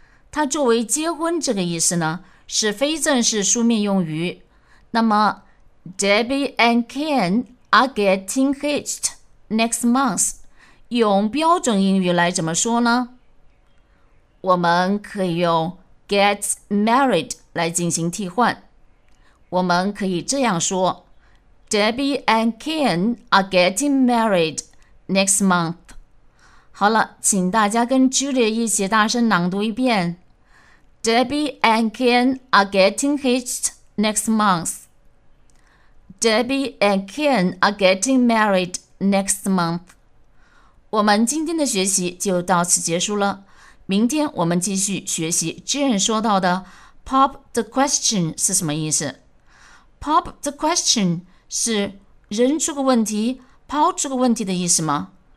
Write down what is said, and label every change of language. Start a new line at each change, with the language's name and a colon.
Chinese: 它作为结婚这个意思呢，是非正式书面用语。那么 ，
English: Debbie and Ken are getting hitched next month，
Chinese: 用标准英语来怎么说呢？我们可以用 get married 来进行替换。我们可以这样说 ：
English: Debbie and Ken are getting married next month。
Chinese: 好了，请大家跟 Julia 一起大声朗读一遍 ：
English: Debbie and Ken are getting hitched next month。 Debbie and Ken are getting married next month。
Chinese: 我们今天的学习就到此结束了。明天我们继续学习 Jane 说到的
English: pop the question
Chinese: 是什么意思。
English: pop the question
Chinese: 是扔出个问题、抛出个问题的意思吗？